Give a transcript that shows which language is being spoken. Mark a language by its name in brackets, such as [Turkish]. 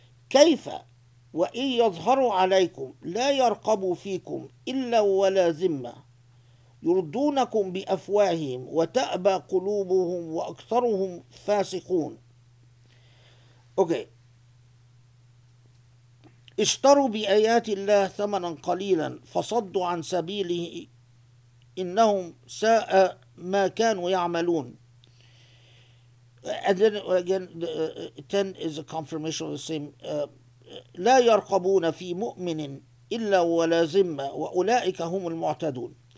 [Arabic] كيف وإن يظهروا عليكم لا يرقبوا فيكم إلا ولا ذمة يردونكم بأفواههم وتأبى قلوبهم وأكثرهم فاسقون. [English] Okay. [Arabic] اشتروا بآيات الله ثمنا قليلا فصدوا عن سبيله إنهم ساء ما كانوا يعملون. [English] And then again, 10 is a confirmation of the same. [Arabic] لا يرقبون في مؤمن إلا ولا ذمة وأولئك هم المعتدون.